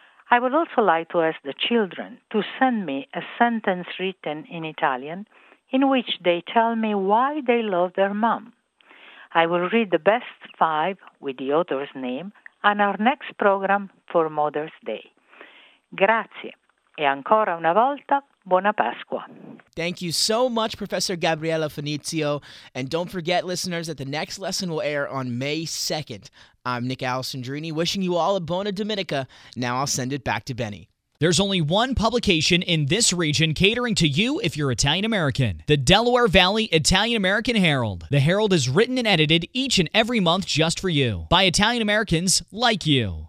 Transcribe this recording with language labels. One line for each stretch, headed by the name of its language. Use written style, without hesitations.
English: I would also like to ask the children to send me a sentence written in Italian in which they tell me why they love their mom. I will read the best five with the author's name on our next program for Mother's Day.
Italian: Grazie. E ancora una volta, buona Pasqua.
English: Thank you so much, Professor Gabriella Finizio. And don't forget, listeners, that the next lesson will air on May 2nd. I'm Nick Alessandrini, wishing you all a
Italian: buona Domenica.
English: Now I'll send it back to Benny. There's only one publication in this region catering to you if you're Italian-American. The Delaware Valley Italian-American Herald. The Herald is written and edited each and every month just for you by Italian-Americans like you.